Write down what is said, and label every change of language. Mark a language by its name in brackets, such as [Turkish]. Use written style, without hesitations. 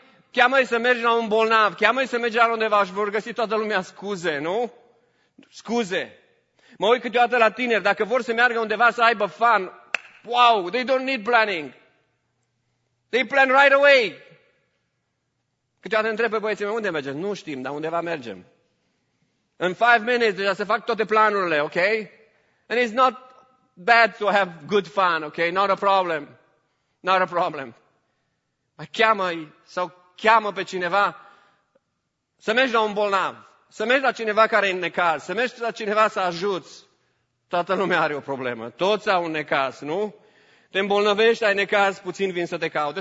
[Romanian] Cheamă-i să mergi la un bolnav. Cheamă-i să mergi altundeva și vor găsi toată lumea scuze, nu? Scuze. Mă uit câteodată la tineri. Dacă vor să meargă undeva să aibă fun, wow, [English] they don't need planning. They plan right away. [Romanian] Câteodată întreb pe băieții mei, unde mergem? Nu știm, dar undeva mergem. [English] In 5 minutes, [Romanian] deja se fac toate planurile, ok? [English] And it's not bad to have good fun, ok? Not a problem. Not a problem. [Romanian] Mai cheamă-i sau cheamă pe cineva să mergi la un bolnav, să mergi la cineva care e în necaz, să mergi la cineva să ajuți. Toată lumea are o problemă. Toți au un necaz, nu? Te îmbolnăvești, ai necaz, puțin vin să te caute.